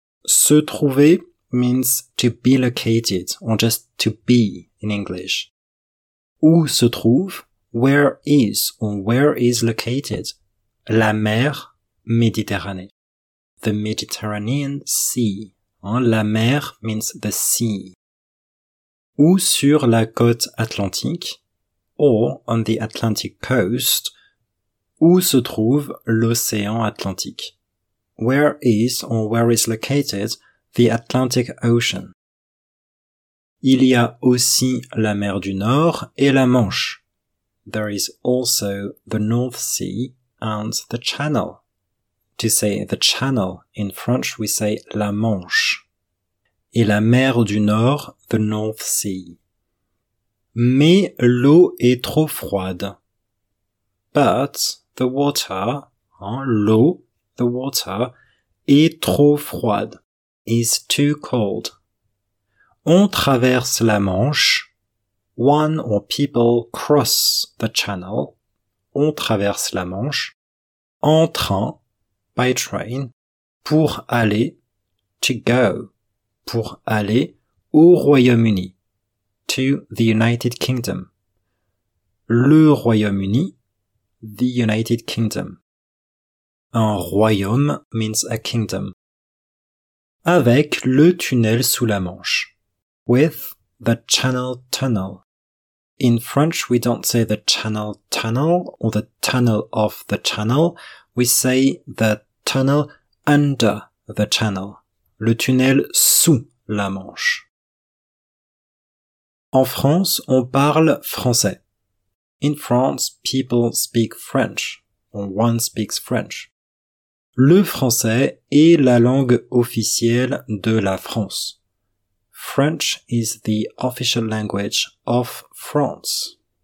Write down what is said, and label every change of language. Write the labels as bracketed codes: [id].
[en] se trouver means to be located or just to be in English. [fr] Où se trouve, [en] where is or where is located? [fr] La mer Méditerranée. [en] The Mediterranean Sea. Hein, la mer means the sea. [fr] Ou sur la côte atlantique, [en] or on the Atlantic coast, [fr] où se trouve l'océan Atlantique. [en] Where is or where is located the Atlantic Ocean? [fr] Il y a aussi la mer du Nord et la Manche. [en] There is also the North Sea and the Channel. To say the Channel in French, we say la Manche. [fr] Et la mer du Nord, [en] the North Sea. [fr] Mais l'eau est trop froide. [en] But the water, hein, l'eau, the water, [fr] est trop froide, [en] is too cold. [fr] On traverse la Manche. [en] One or people cross the channel. [fr] On traverse la Manche. En train, [en] by train, [fr] pour aller, to go, pour aller au Royaume-Uni, [en] to the United Kingdom. [fr] Le Royaume-Uni, [en] the United Kingdom. [fr] Un royaume [en] means a kingdom. [fr] Avec le tunnel sous la Manche. [en] With the Channel Tunnel. In French, we don't say the Channel Tunnel or the tunnel of the channel. We say the tunnel under the channel. [fr] Le tunnel sous la Manche. En France, on parle français. [en] In France, people speak French, or one speaks French. [fr] Le français est la langue officielle de la France. [en] French is the official language of France.